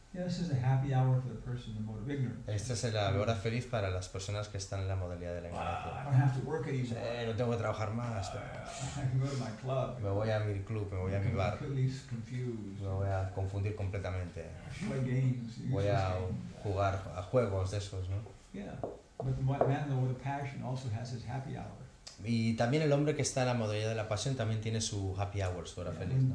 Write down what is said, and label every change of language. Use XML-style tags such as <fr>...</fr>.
<en>This is a happy hour for the person in the mode of ignorance.</en> <es>Esta es la hora feliz para las personas que están en la modalidad de la ignorancia.</es> <en>I don't have to work anymore.</en> <es>No tengo que trabajar más.</es> <en>I can go to my club.</en> <es>Me voy a mi club, me voy a mi bar.</es> <en>Completely confused.</en> <es>Me voy a confundir completamente.</es> <en>Play games.</en> <es>Voy a jugar a juegos de esos, ¿no?</es> <en>Yeah, but the man in the mode of passion also has his happy hour.</en> <es>Y también el hombre que está en la modalidad de la pasión también tiene su happy hour, su hora feliz, ¿no?</es>